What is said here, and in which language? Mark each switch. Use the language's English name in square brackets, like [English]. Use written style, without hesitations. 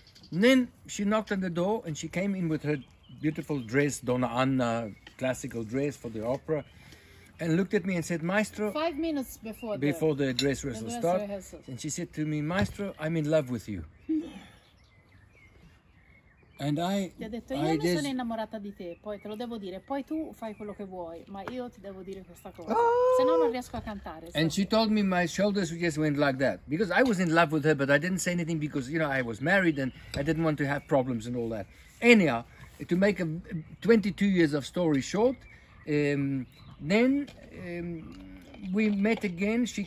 [English] And then she knocked on the door and she came in with her beautiful dress, Donna Anna, classical dress for the opera, and looked at me and said, Maestro, 5 minutes before the dress rehearsal starts, and she said to me, Maestro, I'm in love with you. And I [Italian] detto, io mi sono innamorata di te, poi te lo devo dire, poi tu fai quello che vuoi, ma io ti devo dire questa cosa, se no non riesco a cantare. [English] And she told me my shoulders just went like that, because I was in love with her, but I didn't say anything because, you know, I was married and I didn't want to have problems and all that. Anyhow, to make a 22 years of story short, we met again.